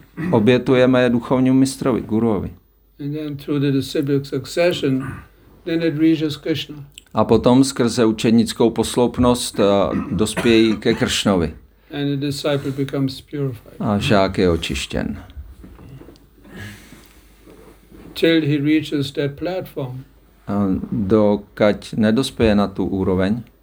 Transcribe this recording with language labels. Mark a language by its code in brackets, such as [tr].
[cs] Obětujeme je duchovnímu mistrovi, guruovi. [en] And then through the disciplic succession, then it reaches Krishna. [cs] A potom skrze učednickou posloupnost dospějí ke Kršnovi. [en] And the disciple becomes purified. [cs] A žák je očištěn. [en] Till he reaches that platform. [cs] Dokud nedospěje na tu úroveň.